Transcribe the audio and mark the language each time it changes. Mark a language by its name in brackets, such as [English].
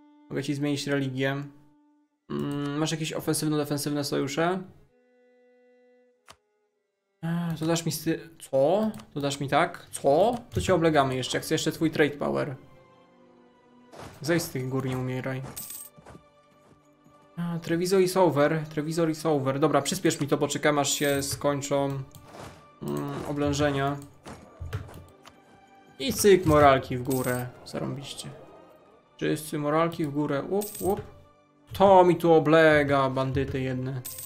[Polish] Mogę ci zmienić religię. Masz jakieś ofensywno-defensywne sojusze? To dasz mi co? To dasz mi tak? Co? To cię oblegamy jeszcze, jak chcę jeszcze twój trade power. Zejdź z tych gór, nie umieraj. [English] Trevizo is over, Trevizo is over. [Polish] Dobra, przyspiesz mi to, poczekam aż się skończą oblężenia. I cyk, moralki w górę, zarąbiście. Wszyscy moralki w górę, [English] up, up. [Polish] To mi tu oblega, bandyty jedne.